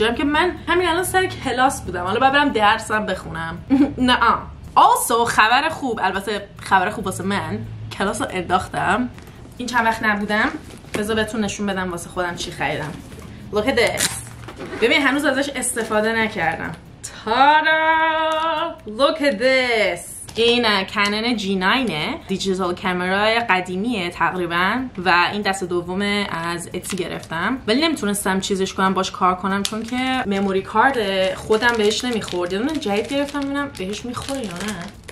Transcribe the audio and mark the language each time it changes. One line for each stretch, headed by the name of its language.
Persian: جایی که من همین الان سر کلاس بودم، حالا باید برم درسم بخونم. نه. Also خبر خوب، البته خبر خوب واسه من، کلاس رو انداختم، این چند وقت نبودم. بذار بهتون نشون بدم واسه خودم چی خریدم.
English: Look at this.
Persian: ببین هنوز ازش استفاده نکردم.
English: تارا Look at this.
Persian: این کنن G9ه، دیجیتال کامرای قدیمیه تقریبا، و این دست دوم از اتسی گرفتم، ولی نمیتونستم چیزش کنم، باش کار کنم، چون که مموری کارد خودم بهش نمیخورد. یه دونه جدید گرفتم ببینم بهش میخوره یا نه.